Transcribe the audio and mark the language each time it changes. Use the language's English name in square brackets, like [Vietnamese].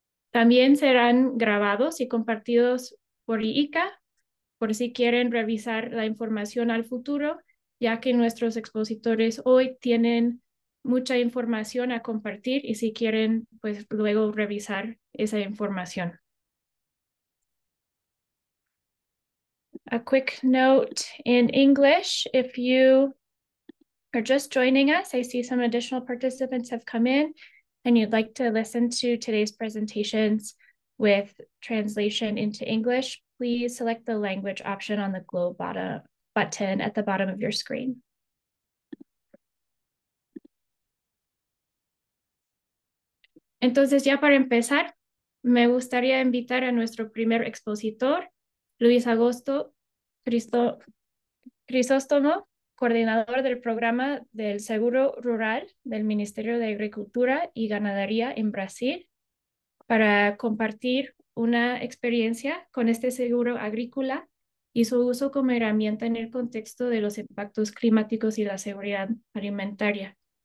[Spanish] También serán grabados y compartidos por IICA, por si quieren revisar la información al futuro, ya que nuestros expositores hoy tienen mucha información a compartir y si quieren, pues luego revisar esa información. [English] A quick note in English, if you are just joining us, I see some additional participants have come in and you'd like to listen to today's presentations with translation into English, please select the language option on the globe bottom button at the bottom of your screen. [Spanish] Entonces, ya para empezar, me gustaría invitar a nuestro primer expositor, Luis Augusto Crisóstomo, coordinador del programa del Seguro Rural del Ministerio de Agricultura y Ganadería en Brasil, para compartir una experiencia con este seguro agrícola y su uso como herramienta en el contexto de los impactos climáticos y la seguridad alimentaria.